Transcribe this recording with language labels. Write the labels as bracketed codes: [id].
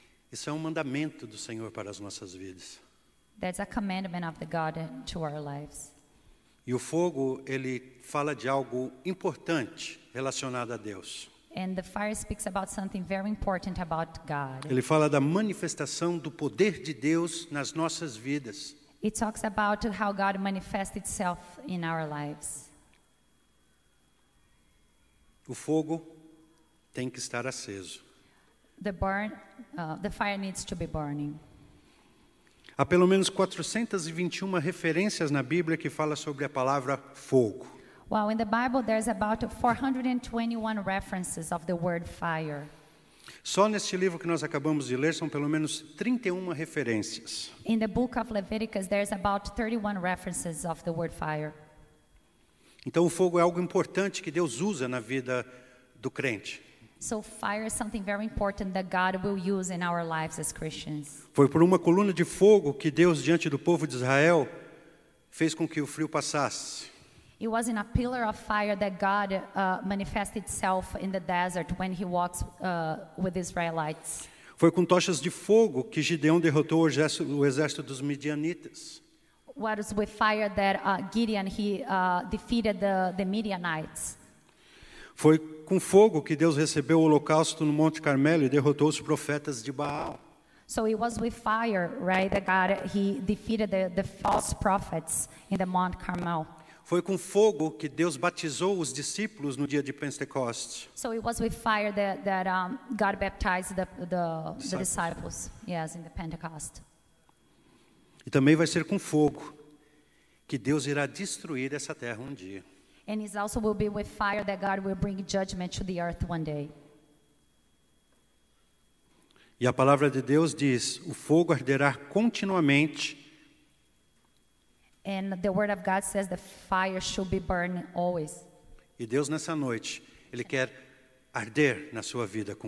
[pt] Isso é um mandamento do Senhor para as nossas vidas. [en] That's a commandment of the God to our lives. [pt] E o fogo, ele fala de algo importante relacionado a Deus. [en] And the fire speaks about something very important about God. [pt] Ele fala da manifestação do poder de Deus nas nossas vidas. [en] It talks about how God manifests itself in our lives. [pt] O fogo tem que estar aceso. [en] The fire needs to be burning. [pt] Há pelo menos 421 referências na Bíblia que fala sobre a palavra fogo. [en] Well, in the Bible there's about 421 references of the word fire. [pt] Só neste livro que nós acabamos de ler são pelo menos 31 referências. [en] In the book of Leviticus there's about 31 references of the word fire. [pt] Então o fogo é algo importante que Deus usa na vida do crente. [en] So fire is something very important that God will use in our lives as Christians. [pt] Foi por uma coluna de fogo que Deus, diante do povo de Israel, fez com que o frio passasse. [en] It was in a pillar of fire that God manifested itself in the desert when he walks with Israelites. [pt] Foi com tochas de fogo que Gideão derrotou o exército dos Midianitas. [en] What was with fire that Gideon, he defeated the Midianites. [pt] Foi com fogo que Deus recebeu o holocausto no Monte Carmelo e derrotou os profetas de Baal. [en] So it was with fire, right, that God, he defeated the false prophets in the Mount Carmel. [pt] Foi com fogo que Deus batizou os discípulos no dia de Pentecostes. [en] So it was with fire that God baptized the disciples, yes, in the Pentecost. [pt] E também vai ser com fogo que Deus irá destruir essa terra um dia. [en] And it also will be with fire that God will bring judgment to the earth one day. [pt] E a palavra de Deus diz, o fogo arderá continuamente. [en] And the word of God says the fire should be burning always. [pt] E Deus nessa noite, ele quer arder na sua vida com